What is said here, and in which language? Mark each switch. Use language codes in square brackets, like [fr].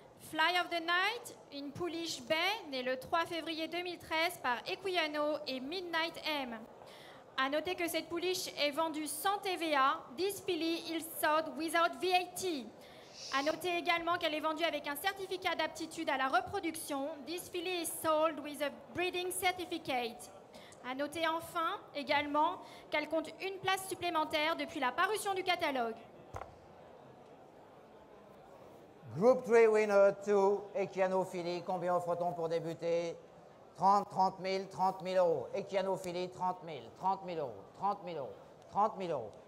[fr] Fly of the Night, une pouliche bay, née le 3 février 2013 par Equiano et Midnight M. A noter que cette pouliche est vendue sans TVA. [en] This filly is sold without VAT. [fr] A noter également qu'elle est vendue avec un certificat d'aptitude à la reproduction. [en] This filly is sold with a breeding certificate. [fr] A noter enfin également qu'elle compte une place supplémentaire depuis la parution du catalogue. [en] Group 3 winner 2, [fr] Equiano Filly, combien offre-t-on pour débuter? 30 000 euros. Equiano Filly, 30 000 euros.